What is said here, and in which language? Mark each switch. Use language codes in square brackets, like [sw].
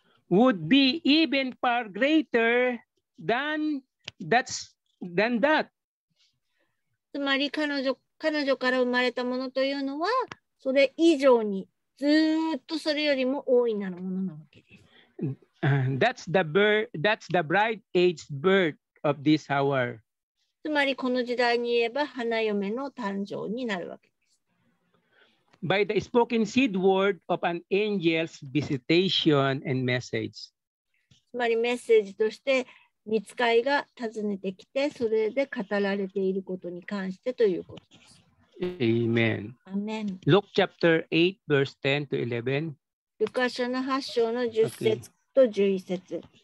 [en] would be even far greater than that. [ja] つまり彼女から生まれたものというのはそれ以上にずっとそれよりも大いなるものなわけです。 [en] That's the bright age birth of this hour. [ja] つまりこの時代に言えば花嫁の誕生になるわけです。 [en] By the spoken seed word of an angel's visitation and message. [ja] つまりメッセージとして御使いが訪ねてきてそれで語られていることに関してということです。 [en] Amen. Amen. Luke chapter 8 verse 10 to 11. [ja] ルカ書の8章の10節と11節。